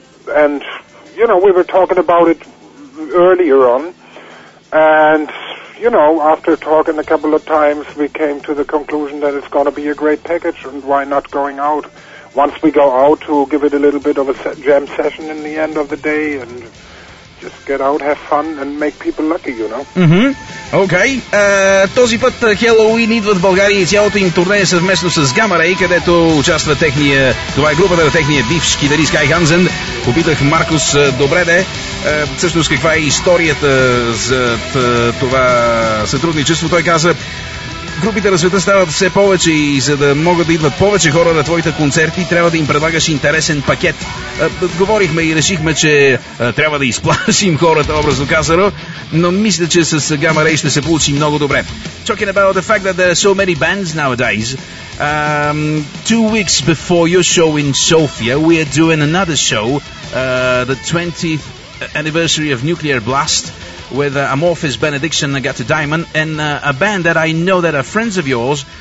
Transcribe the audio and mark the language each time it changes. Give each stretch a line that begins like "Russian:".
English: And, you know, we were talking about it earlier on, and, you know, after talking a couple of times, we came to the conclusion that it's going to be a great package, and why not going out? Once we go out to give it a little bit of a jam session in the end of the day and just get out, have fun and make people lucky, you know. Mm-hmm. Okay.
Bulgarian: Този път Halloween идват в България и цялото им турне съвместно с Gamma Ray, където участва техния, това е групата на техния бивш китарист Кай Хансен. Попитах Маркус добре де, всъщност каква е историята за това сътрудничество. Той каза, групите на света стават все повече и за да могат да идват повече хора на твоите концерти, трябва да им предлагаш интересен пакет. Говорихме и решихме, че трябва да изплашим хората, образно казано, но мисля, че с Gamma Ray ще се получи много добре.
English: Talking about the fact that there are so many bands nowadays, 2 weeks before your show in Sofia, we are doing another show, the 20th anniversary of Nuclear Blast, with Amorphis, Benediction, Agatha Diamond, and a band that I know that are friends of yours.